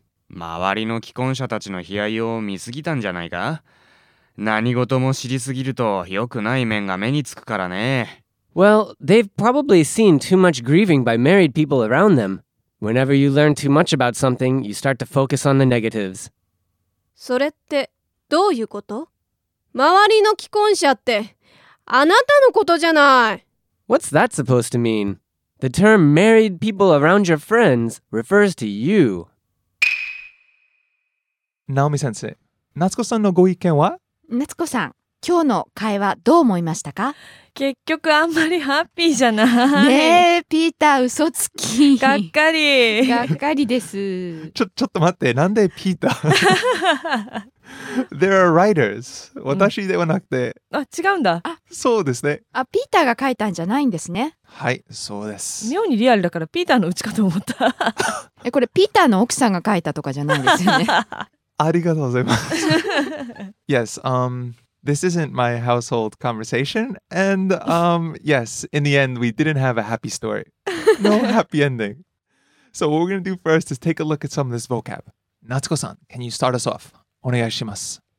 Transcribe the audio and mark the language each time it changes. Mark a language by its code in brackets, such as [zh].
[ja] 周りの既婚者たちの悲哀を見すぎたんじゃないか。何事も知りすぎると良くない面が目につくからね。 [en] Well, they've probably seen too much grieving by married people around them. Whenever you learn too much about something, you start to focus on the negatives. [ja] それってどういうこと？周りの既婚者ってあなたのことじゃない。 [en] What's that supposed to mean? The term married people around your friends refers to you. [ja] Naomi 先生、夏子さんのご意見は？夏子さん、今日の会話どう思いましたか？結局あんまりハッピーじゃない。ねえ、ピーター、嘘つき。がっかり。がっかりです。ちょっと待って、なんでピーター？ [en] There are writers. [ja] 私ではなくて。うん、あ、違うんだ。あ、そうですね。あ、ピーターが書いたんじゃないんですね。はい、そうです。妙にリアルだからピーターのうちかと思った。え、これピーターの奥さんが書いたとかじゃないんですよね。ありがとうございます。 [en] Yes, This isn't my household conversation, and yes, in the end, we didn't have a happy story. No happy ending. So what we're going to do first is take a look at some of this vocab. Natsuko-san, can you start us off? [ja] Onegai shimasu.